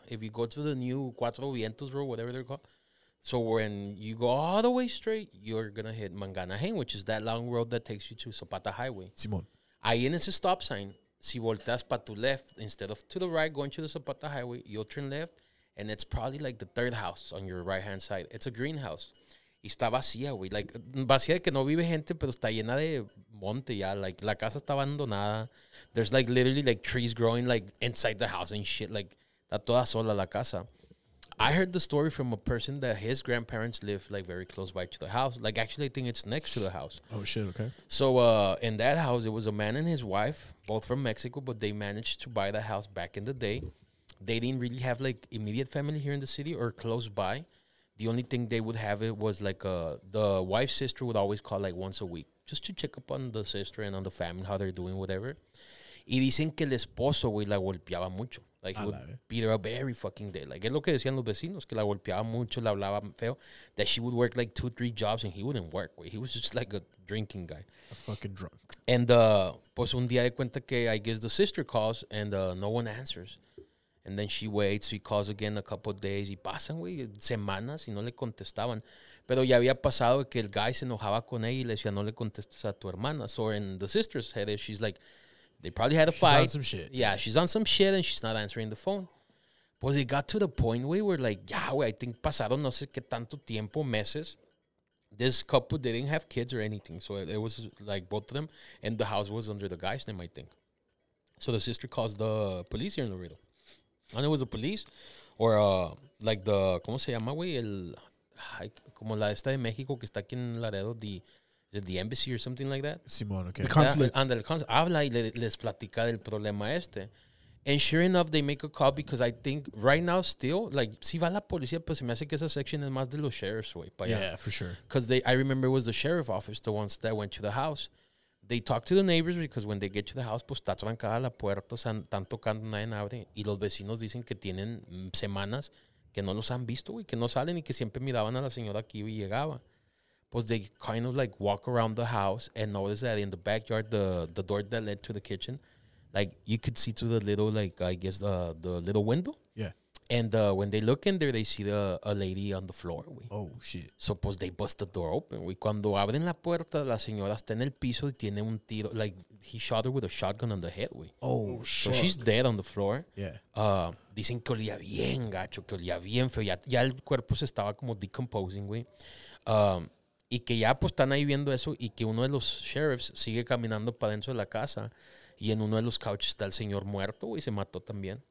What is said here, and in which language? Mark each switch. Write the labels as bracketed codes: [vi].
[en] If you go to the new Cuatro Vientos road, whatever they're called. So when you go all the way straight, you're going to hit Manganahain, which is that long road that takes you to Zapata Highway. [es] Simón. Ahí en ese stop sign, si volteas para tu [en] left, instead of to the right going to the Zapata Highway, you'll turn left. And it's probably like the third house on your right-hand side. It's a greenhouse. [es] Y está vacía, güey. Like, vacía de que no vive gente, pero está llena de monte ya. Like, la casa está abandonada. [en] There's like literally like trees growing like inside the house and shit. Like, [es] está toda sola la casa. [en] I heard the story from a person that his grandparents live like very close by to the house. Like, actually, I think it's next to the house. Oh, shit, okay. So, in that house, it was a man and his wife, both from Mexico, but they managed to buy the house back in the day. They didn't really have, like, immediate family here in the city or close by. The only thing they would have it was, like, the wife's sister would always call, like, once a week just to check up on the sister and on the family, how they're doing, whatever. [es] Y dicen que el esposo, güey, la golpeaba mucho. [en] Like, he would beat her up every fucking day. [es] Like, es lo que decían los vecinos, que la golpeaba mucho, la hablaba feo, [en] that she would work, like, 2-3 jobs and he wouldn't work, [es] güey. [en] He was just, like, a drinking guy. A fucking drunk. And, [es] pues, un día de cuenta que, [en] I guess, the sister calls and no one answers. And then she waits, he calls again a couple of days, [es] y pasan, güey, semanas, y no le contestaban. Pero ya había pasado que el guy se enojaba con ella y le decía, no le contestes a tu hermana. [en] So in the sister's head, she's like, they probably had a fight. She's on some shit. Yeah, she's on some shit, and she's not answering the phone. Pues it got to the point, güey, where like, ya, güey, I think [es] pasaron no sé qué tanto tiempo, meses. [en] This couple, they didn't have kids or anything. So it was like both of them, and the house was under the guy's name, I think. So the sister calls the police here in Laredo. And it was the police, or like the, [es] ¿cómo se llama, güey? El, como la esta de México, que está aquí en Laredo, [en] the embassy or something like that. [es] Simón, okay. [en] The consulate. And the consulate [es] habla y les platica del problema este. [en] And sure enough, they make a call because I think right now still, [es] like, si va la policía, pues se me hace que esa section es más de los sheriffs, güey. [en] Yeah, yeah, for sure. Because I remember it was the sheriff's office, the ones that went to the house. They talk to the neighbors because when they get to the house, [es] pues, está trancada la puerta, están tocando, nadie abre. Y los vecinos dicen que tienen semanas que no los han visto, güey, que no salen y que siempre miraban a la señora aquí y llegaba. [en] Pues, they kind of, like, walk around the house and notice that in the backyard, the door that led to the kitchen, like, you could see through the little, like, I guess, the little window. Yeah. And when they look in there, they see a lady on the floor, güey. Oh, shit. So, pues, they bust the door open, güey. [es] Cuando abren la puerta, la señora está en el piso y tiene un tiro. [en] Like, he shot her with a shotgun on the head, güey. Oh, shit. So, she's dead on the floor. Yeah. [es] Dicen que olía bien, gacho, que olía bien feo. Ya el cuerpo se estaba como decomposing, güey. Y que ya, pues, están ahí viendo eso y que uno de los sheriffs sigue caminando para dentro de la casa y en uno de los couches está el señor muerto, güey, se mató también.